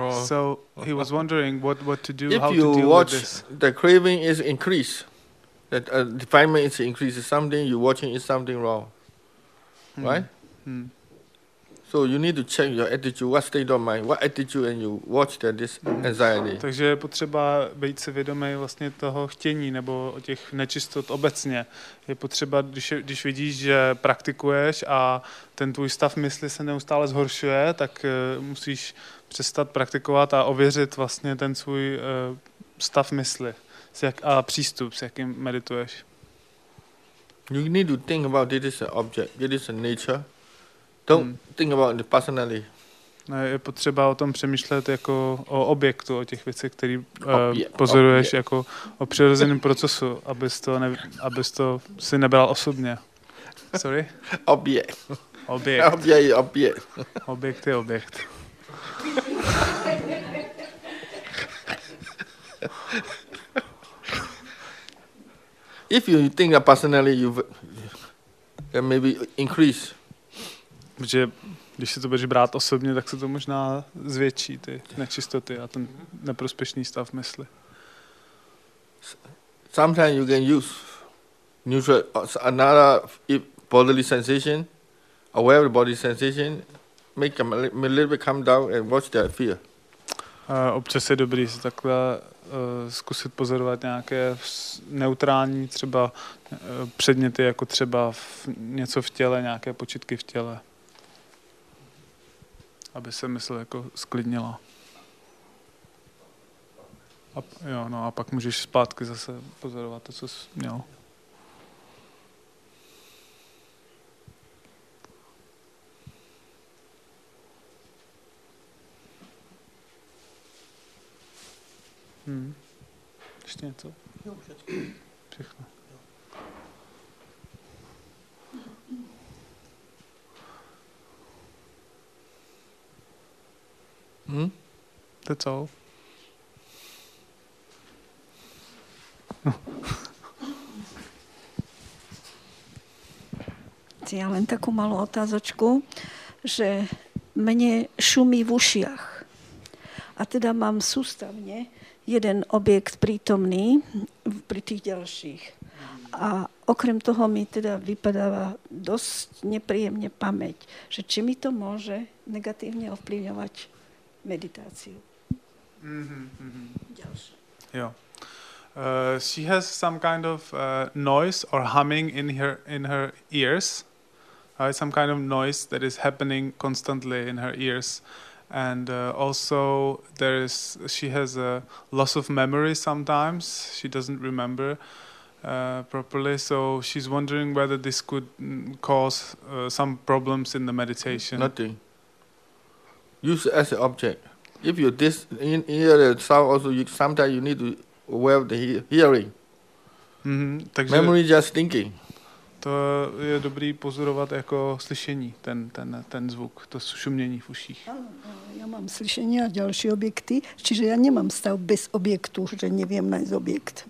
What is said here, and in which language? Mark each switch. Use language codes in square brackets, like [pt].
[en] So he was wondering what to do, if how you to deal watch with this. The craving is increased, that defilement is increased, something you're watching is something wrong, right? So you need to check your attitude, what state of mind, what attitude, and you watch that this anxiety. [cs] Takže je potřeba být si vědomý vlastně toho chtění nebo těch nečistot obecně. Je potřeba, když vidíš, že praktikuješ a ten tvůj stav mysli se neustále zhoršuje, tak musíš přestat praktikovat a ověřit vlastně ten svůj stav mysli a přístup, s jakým medituješ. [en] You need to think about it as an object, it is a nature. Think about it personally. [cs] No, je potřeba o tom přemýšlet jako o objektu, o těch věcech, které pozoruješ jako o přirozeném procesu, abys to si nebral osobně. [en] Sorry? [cs] Objekt. Objekt je objekt. [en] If you think that personally, you maybe increase. [cs] Protože když si to budeš brát osobně, tak se to možná zvětší, ty nečistoty a ten neprospěšný stav mysli. [en] Sometimes you can use neutral, another bodily sensation, aware body sensation, make a little bit calm down and watch that fear. [cs] Občas je dobrý se takhle zkusit pozorovat nějaké neutrální třeba předměty, jako třeba něco v těle, nějaké počitky v těle. Aby se mysl jako sklidnila. A pak můžeš zpátky zase pozorovat to, co jsi měl. Ještě něco? Všechno. [en] That's all. [sk] Chci já len takú malú otázočku, že mne šumí v ušiach. A teda mám sústavne jeden objekt prítomný pri tých ďalších. A okrem toho mi teda vypadáva dosť nepríjemne pamäť, že či mi to môže negatívne ovplyvňovať meditáciu. [en] Mhm. Yeah. She has some kind of noise or humming in her ears. Some kind of noise that is happening constantly in her ears. And also she has a loss of memory sometimes. She doesn't remember properly. So she's wondering whether this could cause some problems in the meditation. Nothing. Use as an object. If you hear the sound, also sometimes you need to wear the hearing. [cs] Takže [en] memory just thinking. [cs] To je dobrý pozorovat jako slyšení, ten zvuk, to šumění v uších. Já mám slyšení a další objekty, čiže já nemám stav bez objektu, že nevím najít objekt.